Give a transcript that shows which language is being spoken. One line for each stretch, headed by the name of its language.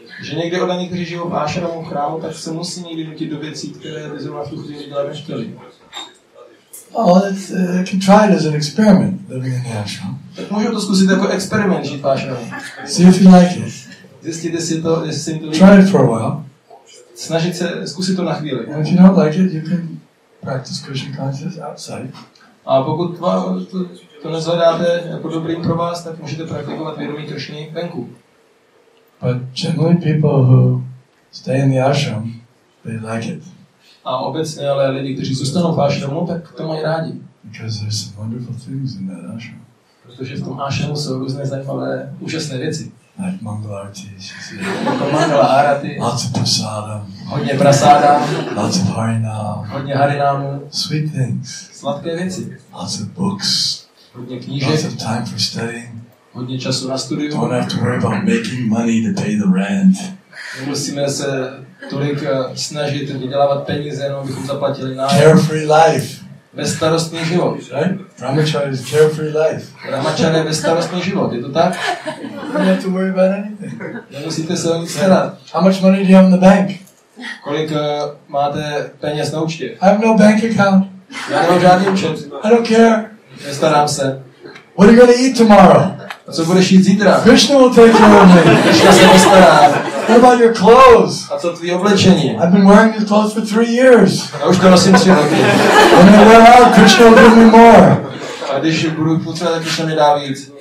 Czech: Že někde od někteří žijou v ashramu, chrámu, tak se musí někdy nutit do věcí, které by zrovna v tu chvíli dělat nechtěli.
English: Well, you can try it as an experiment, living in the ashram.
Czech: Tak můžu to zkusit jako experiment, žít v ashramu.
English: See if you like it.
Czech: Zjistíte si to, jestli si to líbí.
English: Try it for a while.
Czech: Snažit se, zkusit to na chvíli.
English: And if you don't like it, you can practice Krishna consciousness outside.
Czech: A pokud to nezvedáte jako dobrý pro vás, tak můžete praktikovat vědomí Krishny venku.
English: But generally people who stay in the ashram, they like it.
Czech: A obecně ale lidi, kteří zůstanou v ashramu, tak to mají rádi.
English: Because there's some wonderful things in that ashram.
Czech: Protože v tom ashramu jsou různé zajímavé, úžasné věci.
English: Like mangalartis, you see.
Czech: Jako mangalarati.
English: Lots of prasadam.
Czech: Hodně prasada.
English: Lots of harinam.
Czech: Hodně harinamu.
English: Sweet things.
Czech: Sladké věci.
English: Lots of books.
Czech: Hodně knížek.
English: Lots of time for studying.
Czech: Hodně času na studium.
English: Don't have to worry about making money to pay the rent.
Czech: Nemusíme se tolik snažit vydělávat peníze, jenom bychom zaplatili nájem.
English: Carefree life.
Czech: Bezstarostný život.
English: Right? Brahmacharya is carefree life.
Czech: Brahmacharya je bezstarostný život, je to tak?
English: You don't have to worry about anything.
Czech: Nemusíte se o nic starat.
English: How much money do you have in the bank?
Czech: Kolik máte peněz na účtě?
English: I have no bank account.
Czech: Já nemám žádný účet.
English: I don't care.
Czech: Nestarám se.
English: What are you going to eat tomorrow?
Czech: A co budeš jít zítra?
English: Krishna will take care of me. Krishna
Czech: se postará.
English: What about your clothes?
Czech: A co tvý oblečení?
English: I've been wearing these clothes for 3 years.
Czech: Já už to nosím 3 roky.
English: When I wear out, Krishna will give me more.
Czech: A když budu potřebovat, tak Krishna mi dá víc.